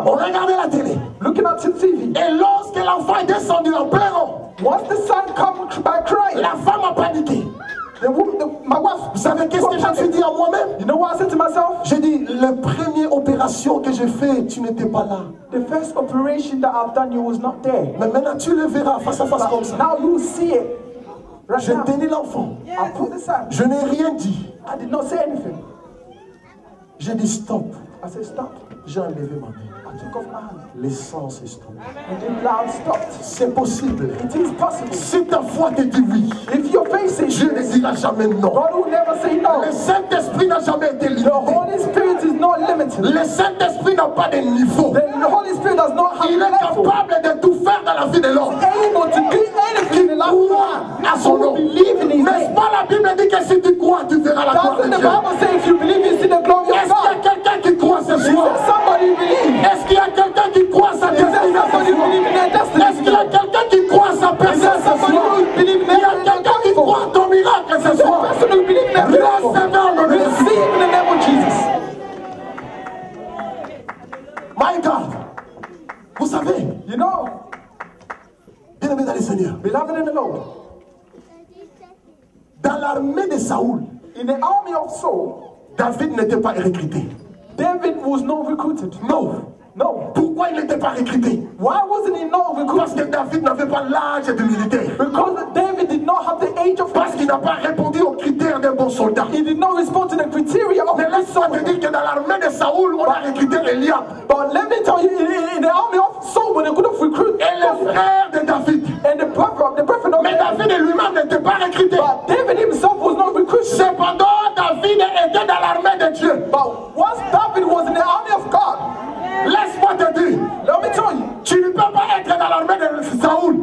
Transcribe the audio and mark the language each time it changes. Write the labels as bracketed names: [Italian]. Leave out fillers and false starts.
[French] On regardait la télé. [English] Looking at the TV. [French] Et lorsque l'enfant est descendu en pleurant, [English] once the son come by crying, [French] la femme a paniqué. [English] The woman, my wife. [French] Vous savez qu'est-ce que je me suis dit à moi-même? [English] You know what I said to myself? [French] J'ai dit, la première opération que j'ai fait, tu n'étais pas là. [English] The first operation that I've done, you was not there. [French] Mais maintenant tu le verras face à face comme ça. [English] Now you see it. [French] Right, j'ai tenu l'enfant. [English] Yes. [French] Je n'ai rien dit. [English] I did not say anything. [French] J'ai dit stop. [English] I said stop. [French] J'ai enlevé ma main. [English] I took off my hand. [French] Le sang s'est stoppé. [English] And the blood stopped. [French] C'est possible. [English] It is possible. [French] Si ta foi te dit oui. [English] If your faith says [French] je ne dira jamais non. [English] God will never say no. [French] Le Saint-Esprit n'a jamais été limité. [English] The Holy Spirit is not limited. [French] Le Saint-Esprit n'a pas de niveau. [English] The Holy Spirit does not have [French] il est capable de tout faire dans la vie de l'homme. [English] Able to do anything in life. [French] Croit à son nom. N'est-ce pas la Bible dit que si tu crois, tu verras la gloire de Dieu. [English] Bible say, if you believe, you see the glory of God. [French] Est-ce qu'il y a quelqu'un qui croit ce soir? [English] Is there somebody who believes? [French] Est-ce qu'il y a quelqu'un qui croit sa destinée? Est-ce qu'il y a quelqu'un qui croit sa personne ce soir? Il y a quelqu'un qui croit ton miracle ce soir? Recevez le nom de Jésus. [English] My God. [French] Vous savez. [English] You know. [French] Bien-aimé dans le Seigneur. [English] Beloved in the Lord. [French] Dans l'armée de Saul. [English] In the army of Saul. [French] David n'était pas recruté. [English] David was not recruited. No. No. [French] Pourquoi il n'était pas recruté? [English] Why wasn't he not recruited? [French] Parce que David n'avait pas l'âge de militaire. [English] Because David did not have the age of [French] parce qu'il n'a pas répondu aux critères d'un bon soldat. [English] He did not respond to the criteria of [French] mais laisse-moi te dire que dans l'armée de Saul, on a recruté Eliab. [English] But let me tell you, in the army of Saul, when they could have recruited. [French] Et le frère de David. [English] And the prophet of [French] mais David lui-même n'était pas recruté. [English] But David himself was not recruited. [French] Cependant, David était dans l'armée de Dieu. [English] But once David was in the army of God. [French] Laisse-moi te dire. [English] Let me tell you. [French] Tu ne peux pas être dans l'armée de Saul.